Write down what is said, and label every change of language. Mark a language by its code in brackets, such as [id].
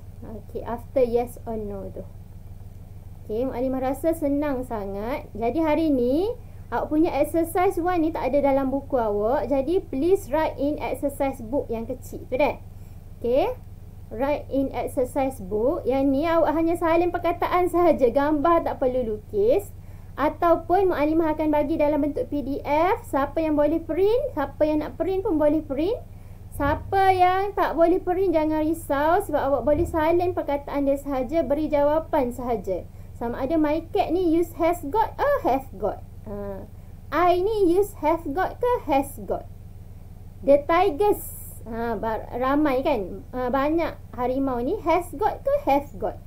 [ms] Okay, [en] after yes or no [ms] tu. Okay, Mak Alimah rasa senang sangat. Jadi hari ni, awak punya exercise 1 ni tak ada dalam buku awak. Jadi [en] please write in exercise book [ms] yang kecil tu dah. [en] Okay, write in exercise book. [ms] Yang ni awak hanya salin perkataan sahaja. Gambar tak perlu lukis. Ataupun Mak Alimah akan bagi dalam bentuk PDF. Siapa yang boleh print, siapa yang nak print pun boleh print. Siapa yang tak boleh print, jangan risau. Sebab awak boleh salin perkataan dia sahaja, beri jawapan sahaja. Sama ada [en] my cat ni use has got or have got. I ni use have got ke has got. The tigers. [ms] Ramai kan. Banyak harimau ni [en] has got [ms] ke [en] have got.